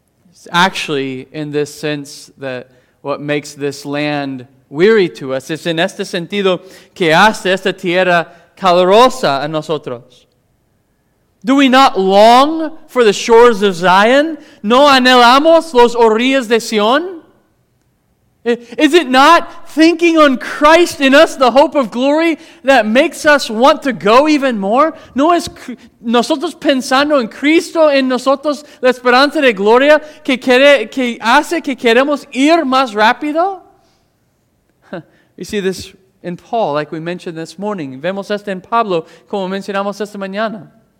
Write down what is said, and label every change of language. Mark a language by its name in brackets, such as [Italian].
[English] It's actually in this sense that what makes this land weary to us. [Spanish] Es en este sentido que hace esta tierra calurosa a nosotros. [English] Do we not long for the shores of Zion? [Spanish] ¿No anhelamos los orillas de Sion? [English] Is it not thinking on Christ in us, the hope of glory, that makes us want to go even more? [Spanish] ¿No es nosotros pensando en Cristo en nosotros, la esperanza de gloria, que hace que queremos ir más rápido? [English] We see this in Paul, like we mentioned this morning. [Spanish] Vemos esto en Pablo, como mencionamos esta mañana.